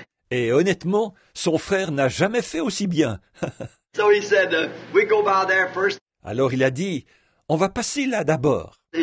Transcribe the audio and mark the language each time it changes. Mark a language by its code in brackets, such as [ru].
[fr] Et honnêtement, son frère n'a jamais fait aussi bien. [en] So he said, we go by there first. [fr] Alors il a dit, on va passer là d'abord.